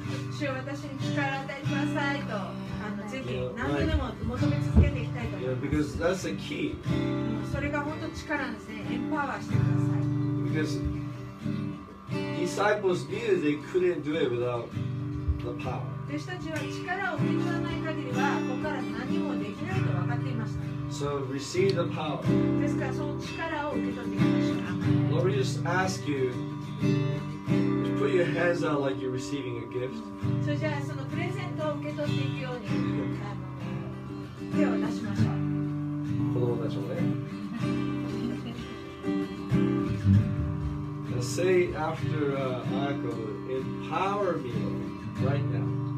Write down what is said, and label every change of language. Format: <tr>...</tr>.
<ja>主私に力を与えてくださいと、ぜひ何度でも求め続けていきたいと思います。</ja> <en>Yeah, because that's the key.</en> <ja>それが本当力なんですね。エンパワーしてください。</ja> <en>Because disciples knew they couldn't do it without the power.</en> <ja>弟子たちは力を受け取らない限りはここから何もできないと分かっていました。</ja> <en>So receive the power.</en> <ja>ですからその力を受け取っていきましょう。</ja> <en>Lord, we just ask you to put your hands out like you're receiving a gift.</en> <ja>So じゃあそのプレゼントを受け取っていくように手を出しましょう。子供たちもね。</ja> <en>And say after Ayako, empower me right now.</en>